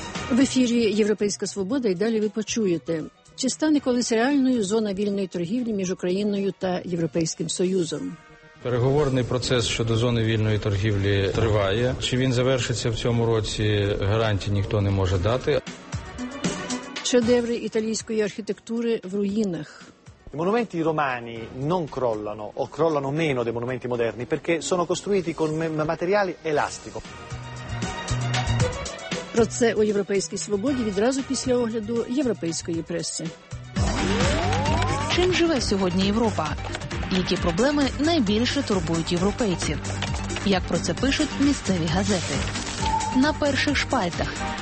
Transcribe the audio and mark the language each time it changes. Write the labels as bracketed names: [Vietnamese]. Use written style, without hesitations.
[Ukrainian] В ефірі «Європейська свобода» і далі ви почуєте. Чи стане колись реальною зона вільної торгівлі між Україною та Європейським Союзом? Переговорний процес щодо зони вільної торгівлі триває. Чи він завершиться в цьому році, гарантій ніхто не може дати. Шедеври італійської архітектури в руїнах. [Italian] I monumenti romani non crollano o crollano meno dei monumenti moderni perché sono costruiti con materiale elastico. [Ukrainian] Про це у Європейській свободі відразу після огляду європейської преси. Чим живе сьогодні Європа? Які проблеми найбільше турбують європейців? Як про це пишуть місцеві газети? На перших шпальтах.